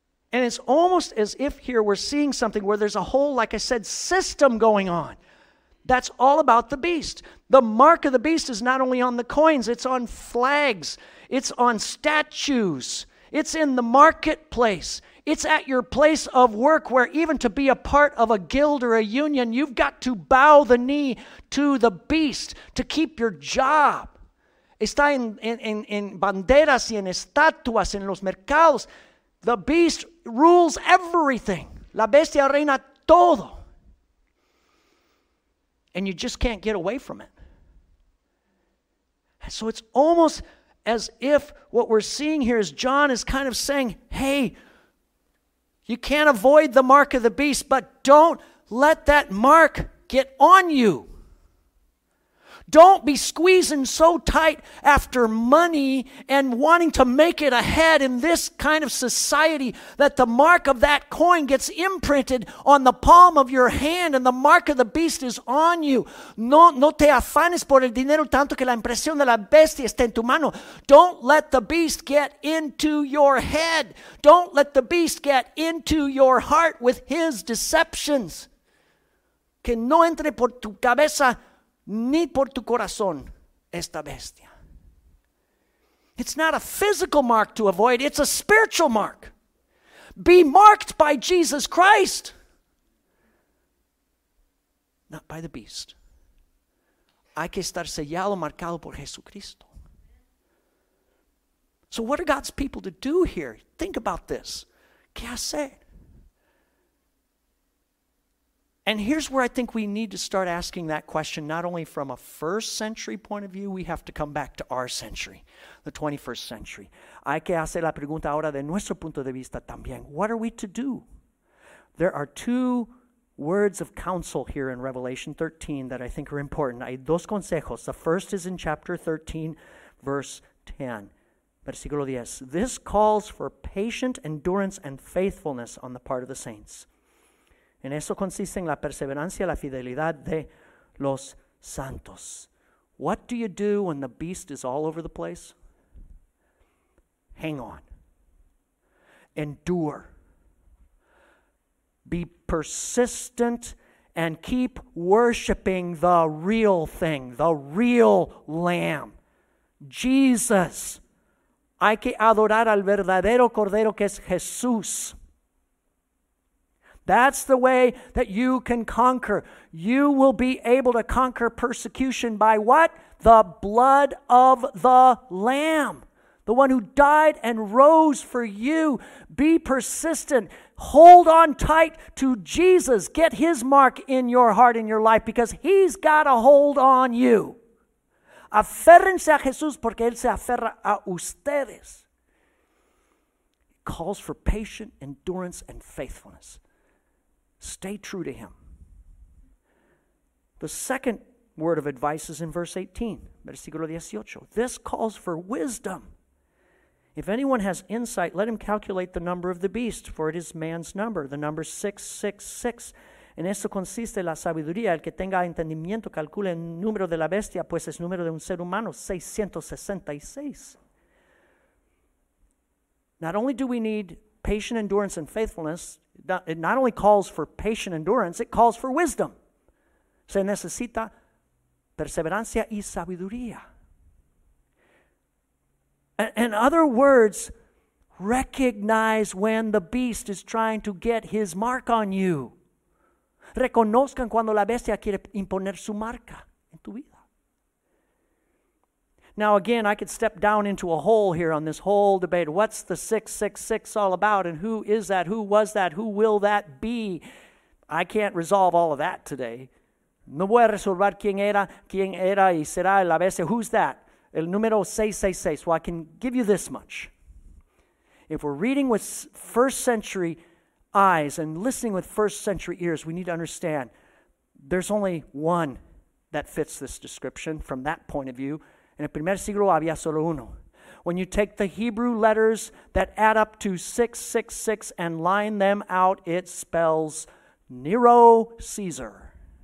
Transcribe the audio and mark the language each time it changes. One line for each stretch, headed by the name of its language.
English: And it's almost as if here we're seeing something where there's a whole, like I said, system going on. That's all about the beast. The mark of the beast is not only on the coins, it's on flags, it's on statues, it's in the marketplace. It's at your place of work where even to be a part of a guild or a union, you've got to bow the knee to the beast to keep your job.
Spanish: Está en banderas y en estatuas en los mercados.
English: The beast rules everything.
Spanish: La bestia reina todo.
English: And you just can't get away from it. So it's almost as if what we're seeing here is John is kind of saying, hey, you can't avoid the mark of the beast, but don't let that mark get on you. Don't be squeezing so tight after money and wanting to make it ahead in this kind of society that the mark of that coin gets imprinted on the palm of your hand and the mark of the beast is on you.
Spanish: No te afanes por el dinero tanto que la impresión de la bestia esté en tu mano.
English: Don't let the beast get into your head. Don't let the beast get into your heart with his deceptions.
Spanish: Que no entre por tu cabeza ni por tu corazón esta bestia.
English: It's not a physical mark to avoid, it's a spiritual mark. Be marked by Jesus Christ, not by the beast.
Spanish: Hay que estar sellado, marcado por Jesucristo.
English: So what are God's people to do here? Think about this.
Spanish: ¿Qué hacer?
English: And here's where I think we need to start asking that question, not only from a first century point of view, we have to come back to our century, the 21st century.
Spanish: Hay que hacer la pregunta ahora de nuestro punto de vista también.
English: What are we to do? There are two words of counsel here in Revelation 13 that I think are important.
Spanish: Hay dos consejos.
English: The first is in chapter 13, verse 10.
Spanish: Versículo 10.
English: This calls for patient endurance and faithfulness on the part of the saints.
Spanish: En eso consiste en la perseverancia, la fidelidad de los santos.
English: What do you do when the beast is all over the place? Hang on. Endure. Be persistent and keep worshiping the real thing, the real Lamb, Jesus.
Spanish: Hay que adorar al verdadero Cordero que es Jesús.
English: That's the way that you can conquer. You will be able to conquer persecution by what? The blood of the Lamb. The one who died and rose for you. Be persistent. Hold on tight to Jesus. Get his mark in your heart, in your life, because he's got a hold on you.
Spanish: Aférrense a Jesús porque él se aferra a ustedes.
English: It calls for patient endurance and faithfulness. Stay true to him. The second word of advice is in verse 18,
Spanish: versículo 18.
English: This calls for wisdom. If anyone has insight, let him calculate the number of the beast, for it is man's number, the number 666.
Spanish: En eso consiste la sabiduría. El que tenga entendimiento calcule el número de la bestia, pues es número de un ser humano, 666.
English: Not only do we need patient endurance and faithfulness, it not only calls for patient endurance, it calls for wisdom.
Spanish: Se necesita perseverancia y sabiduría.
English: In other words, recognize when the beast is trying to get his mark on you.
Spanish: Reconozcan cuando la bestia quiere imponer su marca en tu vida.
English: Now again, I could step down into a hole here on this whole debate. What's the 666 all about, and who is that, who was that, who will that be? I can't resolve all of that today.
Spanish: No voy a resolver quién era y será la bestia.
English: Who's that?
Spanish: El número 666.
English: Well, I can give you this much. If we're reading with first century eyes and listening with first century ears, we need to understand there's only one that fits this description from that point of view.
Spanish: En el primer siglo había solo uno.
English: When you take the Hebrew letters that add up to 666 and line them out, it spells Nero Caesar.